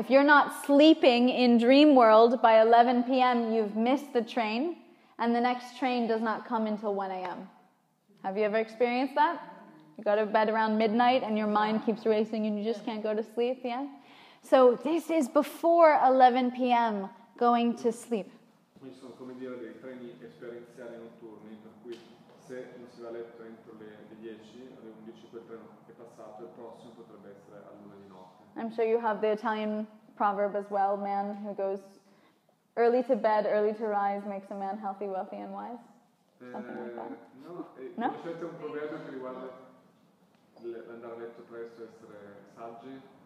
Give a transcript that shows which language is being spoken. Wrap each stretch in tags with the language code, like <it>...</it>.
<en>If you're not sleeping in dream world by 11 p.m., you've missed the train, and the next train does not come until 1 a.m. Have you ever experienced that? You go to bed around midnight and your mind keeps racing and you just can't go to sleep, yeah? So this is before 11 p.m. going to sleep.</en> <it>Sono come dire dei treni esperienziali notturni, per cui se non si va a letto entro le 10, alle 11 quel treno è passato, il prossimo potrebbe essere a luna di notte.</it> <en>I'm sure you have the Italian proverb as well, man who goes early to bed, early to rise makes a man healthy, wealthy and wise. Something like that.</en> <it>No, c'è un proverbio che riguarda l'andare a letto presto e essere saggi.</it>